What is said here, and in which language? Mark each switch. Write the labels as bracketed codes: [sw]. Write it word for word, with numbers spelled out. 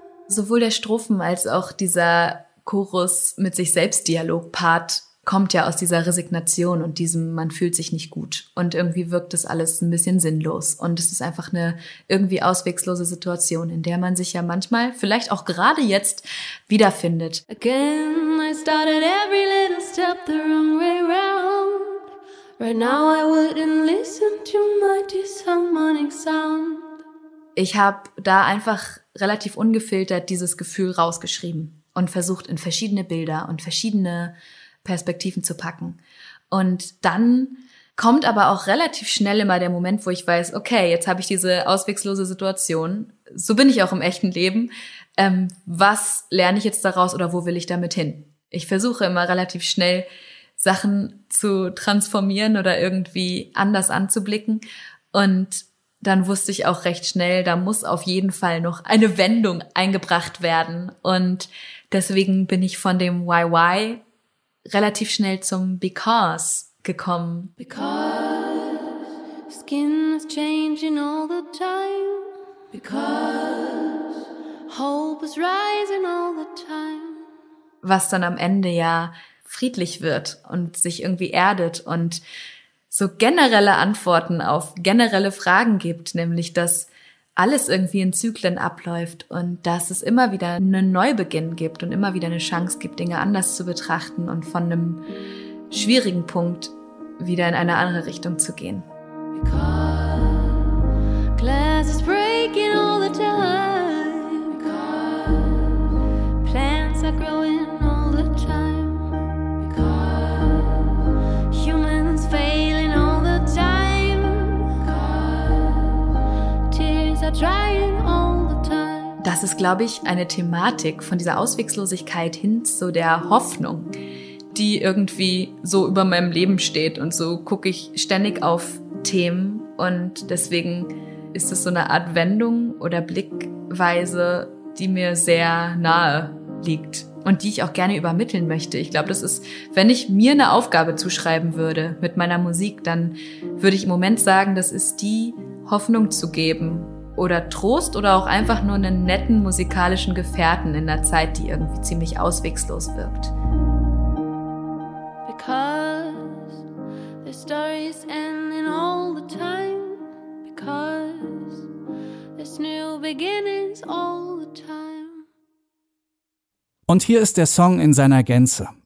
[de] Sowohl der Strophen als auch dieser Chorus mit sich selbst Dialog-Part kommt ja aus dieser Resignation und diesem man fühlt sich nicht gut und irgendwie wirkt das alles ein bisschen sinnlos und es ist einfach eine irgendwie auswegslose Situation, in der man sich ja manchmal vielleicht auch gerade jetzt wiederfindet. [en] Again, I started every little step the wrong way round. Right now I wouldn't listen to my disharmonic sound. [de] Ich habe da einfach relativ ungefiltert dieses Gefühl rausgeschrieben und versucht in verschiedene Bilder und verschiedene Perspektiven zu packen. Und dann kommt aber auch relativ schnell immer der Moment, wo ich weiß, okay, jetzt habe ich diese auswegslose Situation, so bin ich auch im echten Leben, ähm, was lerne ich jetzt daraus oder wo will ich damit hin? Ich versuche immer relativ schnell, Sachen zu transformieren oder irgendwie anders anzublicken und dann wusste ich auch recht schnell, da muss auf jeden Fall noch eine Wendung eingebracht werden und deswegen bin ich von dem Y Y relativ schnell zum Because gekommen. [en] Because skin is changing all the time. Because hope is rising all the time. [de] Was dann am Ende ja friedlich wird und sich irgendwie erdet und so generelle Antworten auf generelle Fragen gibt, nämlich dass alles irgendwie in Zyklen abläuft und dass es immer wieder einen Neubeginn gibt und immer wieder eine Chance gibt, Dinge anders zu betrachten und von einem schwierigen Punkt wieder in eine andere Richtung zu gehen. [en] Because glass is breaking all the time. Because plants are growing all the time. Because humans failing all the time. Because tears are drying all the time. [de] Das ist, glaube ich, eine Thematik von dieser Auswegslosigkeit hin zu der Hoffnung, die irgendwie so über meinem Leben steht, und so gucke ich ständig auf Themen und deswegen ist es so eine Art Wendung oder Blickweise, die mir sehr nahe liegt und die ich auch gerne übermitteln möchte. Ich glaube, das ist, wenn ich mir eine Aufgabe zuschreiben würde mit meiner Musik, dann würde ich im Moment sagen, das ist die Hoffnung zu geben oder Trost oder auch einfach nur einen netten musikalischen Gefährten in einer Zeit, die irgendwie ziemlich auswegslos wirkt. [en] Because their stories ending all the time. Because there's new beginnings all the time. [de] Und hier ist der Song in seiner Gänze.